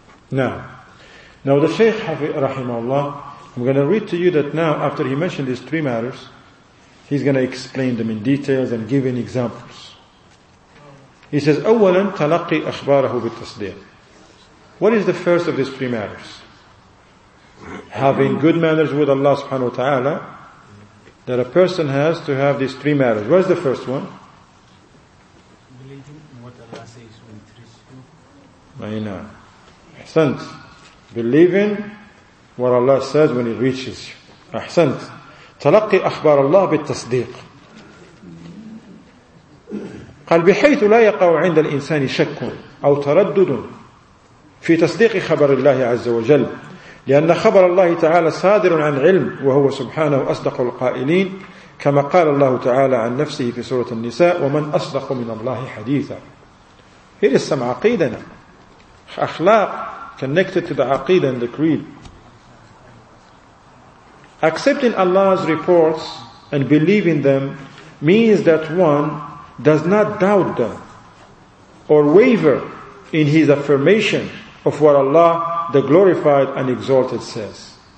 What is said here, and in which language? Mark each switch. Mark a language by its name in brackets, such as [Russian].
[English] Now the Shaykh Hafi Rahimahullah, I'm going to read to you that now, after he mentioned these three matters, he's going to explain them in details and give in examples. He says, [Arabic] أولاً تلقي أخباره بالتصديق. [English] What is the first of these three matters? Having good manners with Allah subhanahu wa ta'ala, that a person has to have these three matters. What is the first one? Believing what Allah says when it reaches you. [Arabic] Ayna. Ahsant. [English] Believing what Allah says when it reaches you. [Arabic] Ahsant. Talaqi akhbar Allah bit tasdeeq. Qal bihaythu la yaqaw 'inda al-insani shakkun aw taraddudun fi tasdeeq khabar Allah 'azza wa jalla. لأن خبر الله تعالى صادر عن علم وهو سبحانه أصدق القائلين كما قال الله تعالى عن نفسه في سورة النساء ومن أصدق من الله حديثا. [English] Here is some عقيدنا. أخلاق connected to the عقيدة and the creed. Accepting Allah's reports and believing them means that one does not doubt them or waver in his affirmation of what Allah the glorified and exalted says.